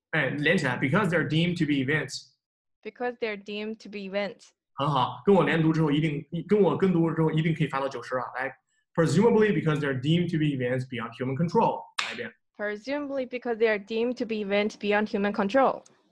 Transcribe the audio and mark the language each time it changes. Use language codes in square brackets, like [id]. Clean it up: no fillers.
[en] 哎，连起来 ，because they're deemed to be events. Because they're deemed to be events. [zh] 很好，跟我连读之后一定，跟我跟读之后一定可以发到九十啊。 [en] 来 ，presumably because they're deemed to be events beyond human control. [zh] 来一遍。 [en] Presumably because they are deemed to be events beyond human control.